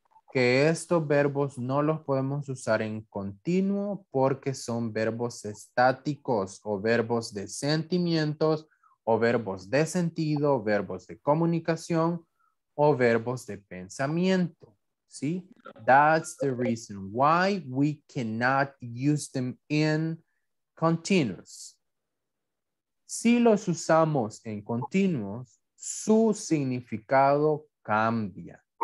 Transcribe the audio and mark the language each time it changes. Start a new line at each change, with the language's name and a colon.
Spanish: Que estos verbos no los podemos usar en continuo porque son verbos estáticos o verbos de sentimientos o verbos de sentido, verbos de comunicación o verbos de pensamiento, ¿sí?
English: That's the reason why we cannot use them in continuous.
Spanish: Si los usamos en continuos, su significado cambia.